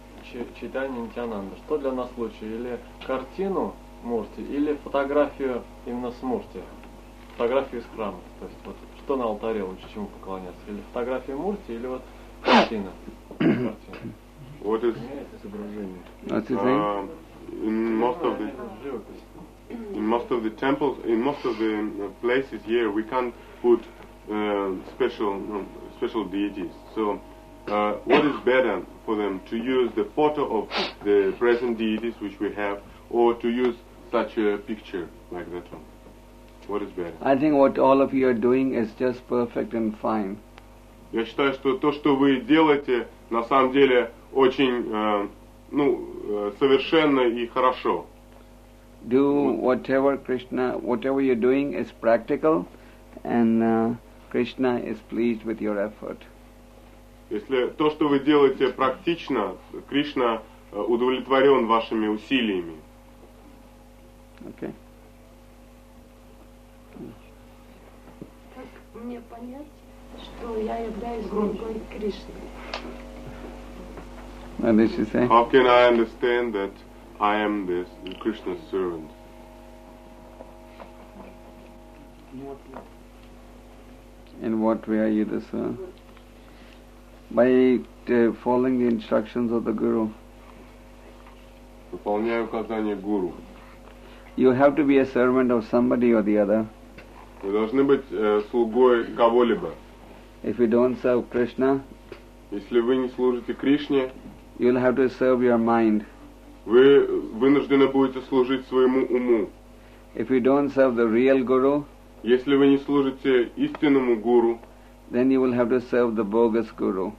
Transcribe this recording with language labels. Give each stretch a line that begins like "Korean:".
Russian: Чайтанья Нитьянанда. Что для нас лучше? Или картину мурти, или фотографию именно с мурти? Фотографию из храма. То есть вот что на алтаре лучше, чему поклоняться? Или фотографию мурти, или вот картина.
English: What is What's he saying? In most of the temples, in most of the places here, we can't put special deities. So, what is better for them, to use the photo of the present deities which we have, or to use such a picture like that one? What is better? I think what all of you are doing is just perfect and fine.
Russian: Я считаю, что то, что вы делаете, на самом деле очень, совершенно и хорошо.
English: do whatever Krishna, whatever you're doing is practical, and Krishna is pleased with your effort.
Russian: Если то, что вы делаете практично, Кришна удовлетворен вашими усилиями.
English: Okay.
Russian: Как мне понять, что я являюсь группой Кришны?
English: And this is saying, how can I understand that I am this Krishna's servant? In what way are you the servant? By following the instructions of the Guru.
Russian: Выполняю указания Гуру.
English: You have to be a servant of somebody or the other.
Russian: Вы должны быть слугой кого-либо.
English: If you don't serve Krishna,
Russian: если вы не служите Кришне,
English: you'll have to serve your mind.
Russian: Вы вынуждены будете служить своему уму.
English: If you don't serve the real guru,
Russian: если вы не служите истинному гуру,
English: then you will have to serve the bogus guru.